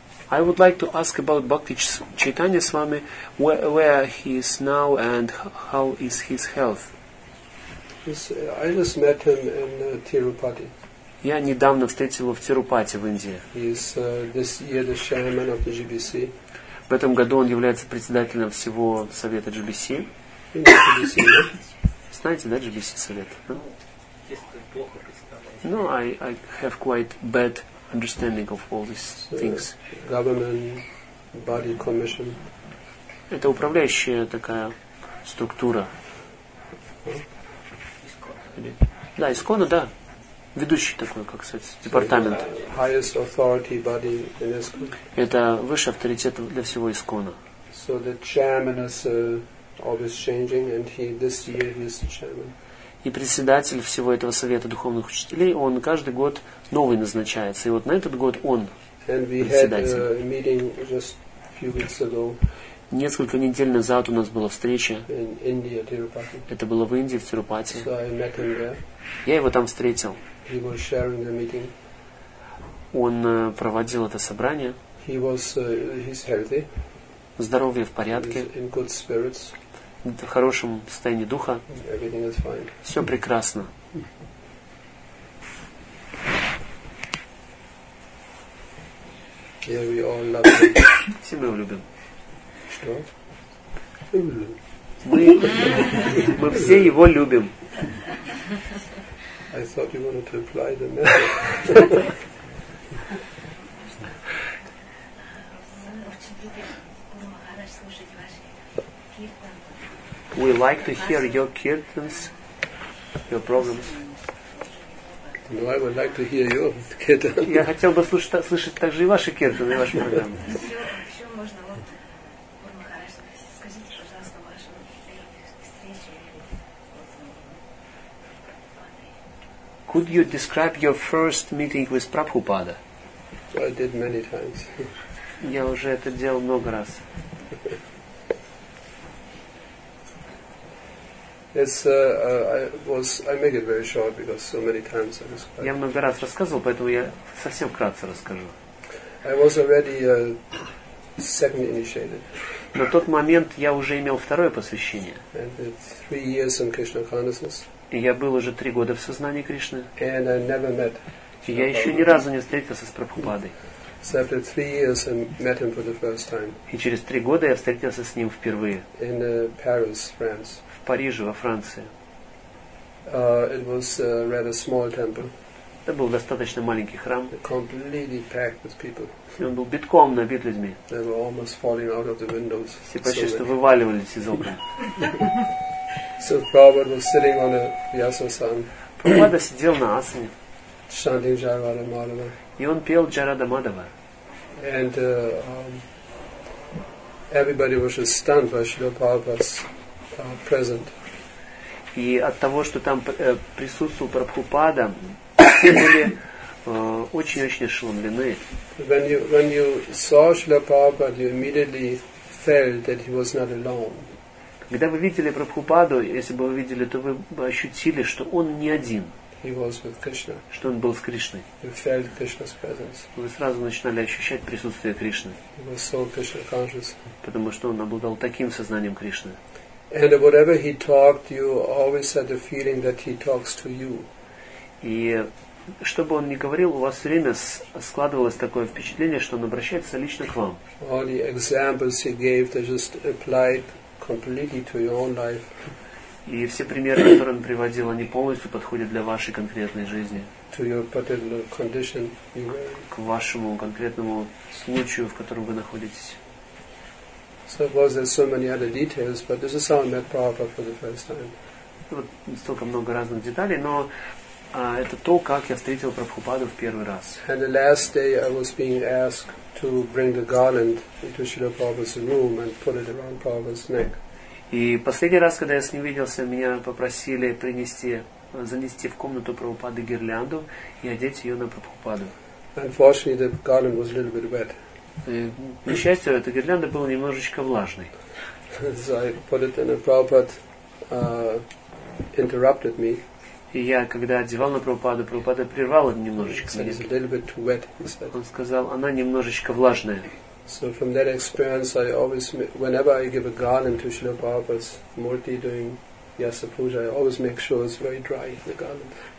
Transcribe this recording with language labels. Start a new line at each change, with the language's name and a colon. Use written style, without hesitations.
English: I would like to ask about Bhakti Chaitanya Swami, where he is now and how is his health? I just met him in Tirupati.
Russian: Я недавно встретил его в Тирупати в Индии.
English: He's this year the chairman of the GBC.
Russian: В этом году он является председателем всего совета GBC.
English: GBC, yeah.
Russian: Знаете, да, GBC совет? Ну,
English: no? No, I have quite bad understanding of all these things. Government body commission.
Russian: Это управляющая такая структура. Да, ИСКОН, да. Ведущий такой, как сказать, департамент.
English: Highest authority body in ISKCON.
Russian: Это высший авторитет для всего ИСКОНа.
English: So the chairman is always changing, and he this year he is the chairman.
Russian: И председатель всего этого совета духовных учителей, он каждый год новый назначается. И вот на этот год он председатель.
English: And we had a meeting just a few weeks ago.
Russian: Несколько недель назад у нас была встреча.
English: In India, Tirupati.
Russian: Это было в Индии, в Тирупати.
English: So I met him there.
Russian: Я его там встретил.
English: He was sharing the meeting.
Russian: Он проводил это собрание.
English: He was, he's healthy.
Russian: Здоровье в порядке.
English: He's in good spirits.
Russian: В хорошем состоянии духа.
English: Everything is fine.
Russian: Все прекрасно.
English: Yeah, we all love him.
Russian: Все мы его любим. Что? Мы все его любим.
English: I thought you wanted to apply the message. We like to hear your kirtans, your programs. No, I would like to hear your kirtans.
Russian: Я хотел бы слышать также и ваши киртаны, и ваши программы.
English: Could you describe your first meeting with Prabhupada? I did many times.
Russian: Я уже это делал много раз.
English: It's I make it very short because so many times I was.
Russian: Я много раз рассказывал, поэтому я совсем вкратце расскажу.
English: I was already second initiated.
Russian: На тот момент я уже имел второе посвящение.
English: And it's 3 years in Krishna consciousness.
Russian: И я был уже 3 года в сознании Кришны.
English: And I never met.
Russian: И я еще ни разу не встретился с Прабхупадой.
English: So after 3 years I met him for the first time.
Russian: И через 3 года я встретился с ним впервые.
English: In Paris, France.
Russian: В Париже, во Франции.
English: It was a rather small temple.
Russian: Это был достаточно маленький храм.
English: Completely packed with people.
Russian: И он был битком набит людьми.
English: They were almost falling out of the windows.
Russian: Все почти что вываливались из окна.
English: So Prabhupada was sitting on a Vyasasan.
Russian: Prabhupada сидел на асане.
English: Chanting Jarada Madhava.
Russian: И он пел Jarada Madhava.
English: And everybody was just stunned by Srila Prabhupada's present.
Russian: И от того, что там присутствовал Прабхупада, все были очень-очень ошеломлены.
English: When you saw Srila Prabhupada, you immediately felt that he was not alone.
Russian: Когда вы видели Прабхупаду, если бы вы видели, то вы бы ощутили, что он не один.
English: He was with Krishna.
Russian: Что он был с Кришной.
English: You felt Krishna's presence.
Russian: Вы сразу начинали ощущать присутствие Кришны.
English: He was so Krishna conscious.
Russian: Потому что он обладал таким сознанием Кришны.
English: And whatever he talked, you always had the feeling that he talks to you.
Russian: И что бы он ни говорил, у вас все время складывалось такое впечатление, что он обращается лично к вам.
English: All the examples he gave, they just applied completely to your own life.
Russian: И все примеры, которые он приводил, они полностью подходят для вашей конкретной жизни.
English: To your particular condition you were.
Russian: К вашему конкретному случаю, в котором вы находитесь.
English: So of course there's so many other details, but this is how I met Prabhupada for the first time.
Russian: Вот столько много разных деталей, но это то, как я встретил Прабхупаду в первый раз.
English: And the last day I was being asked to bring the garland into Srila Prabhupada's room and put it around Prabhupada's neck.
Russian: И последний раз, когда я с ним виделся, меня попросили принести, занести в комнату Прабхупады гирлянду и одеть ее на Прабхупаду.
English: Unfortunately, the garland was a little bit wet.
Russian: К несчастью, эта гирлянда была немножечко влажной.
English: So I put it in a Prabhupada. Interrupted me.
Russian: И я, когда одевал на Прабхупаду, Прабхупада прервал немножечко.
English: It's a little bit too wet,
Russian: он сказал, она немножечко влажная.
English: So from that experience, I always, whenever I give a garland to Srila Prabhupada's murti during Yasa Puja, I always make sure it's very dry, the garland.